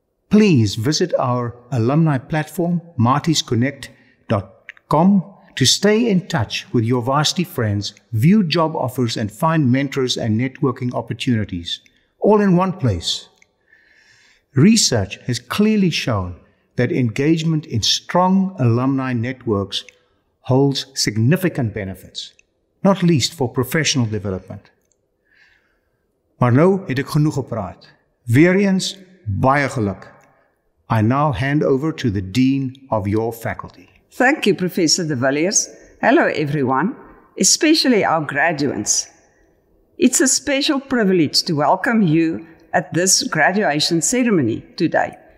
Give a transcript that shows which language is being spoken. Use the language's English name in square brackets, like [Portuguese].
[English] Please visit our alumni platform, martisconnect.com, to stay in touch with your varsity friends, view job offers, and find mentors and networking opportunities, all in one place. Research has clearly shown that engagement in strong alumni networks holds significant benefits, not least for professional development. [Afrikaans] Maar nou het ek genoeg gepraat. Weer eens, baie geluk. [English] I now hand over to the Dean of your faculty. Thank you, Professor de Villiers. Hello, everyone, especially our graduates. It's a special privilege to welcome you at this graduation ceremony today.